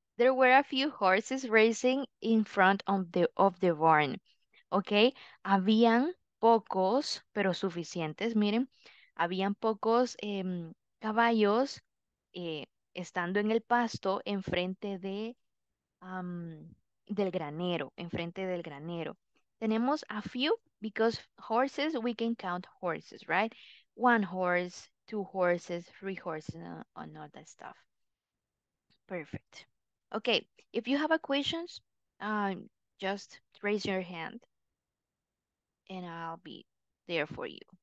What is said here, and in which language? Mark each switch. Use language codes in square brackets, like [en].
[en] There were a few horses racing in front of the barn. [es] Okay, habían pocos, pero suficientes, miren. Habían pocos caballos estando en el pasto enfrente de del granero, enfrente del granero. Tenemos [en] a few because horses, we can count horses, right? One horse, two horses, three horses, and all that stuff. Perfect. Okay, if you have a questions, just raise your hand and I'll be there for you.